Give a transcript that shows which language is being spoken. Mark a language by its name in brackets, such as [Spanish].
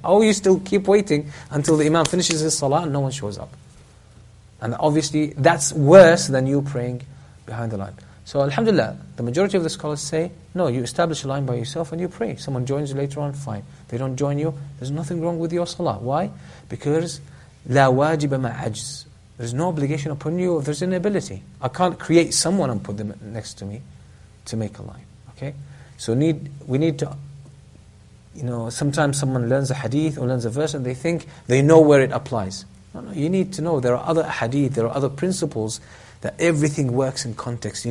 [English] Or you still keep waiting until the imam finishes his salah and no one shows up. And obviously that's worse than you praying behind the line. So alhamdulillah, the majority of the scholars say, no, you establish a line by yourself and you pray. Someone joins you later on, fine. They don't join you, there's nothing wrong with your salah. Why? [Arabic] Because لا واجب مع عجز. [English] There's no obligation upon you if there's inability. I can't create someone and put them next to me to make a line. Okay? So we need to, you know, sometimes someone learns a hadith or learns a verse and they think they know where it applies. No, you need to know there are other hadith, there are other principles that everything works in context.